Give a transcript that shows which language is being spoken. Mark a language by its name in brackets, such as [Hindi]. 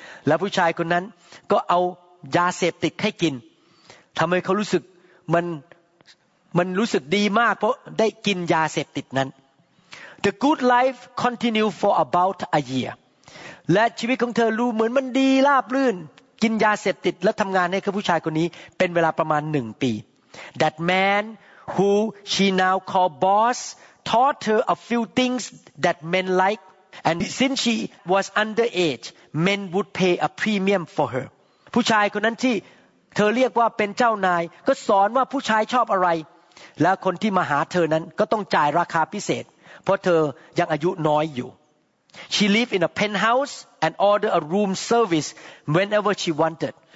[Thai] และผู้ชายคนนั้นก็เอายาเสพติดให้กินทำให้เขารู้สึกมันรู้สึกดีมากเพราะได้กินยาเสพติดนั้น [English] The good life continued for about a year. [Thai] และชีวิตของเธอรู้เหมือนมันดีราบรื่นกินยาเสพติดและทำงานให้กับผู้ชายคนนี้เป็นเวลาประมาณ1ปี [English] That man who she now called boss taught her a few things that men like, and since she was underage, men would pay a premium for her. [Thai] ผู้ชายคนนั้นที่เธอเรียกว่าเป็นเจ้านายก็สอนว่าผู้ชายชอบอะไรและคนที่มาหาเธอนั้นก็ต้องจ่ายราคาพิเศษเพราะเธอยังอายุน้อยอยู่ [English] She lived in a penthouse and ordered a room service whenever she wanted.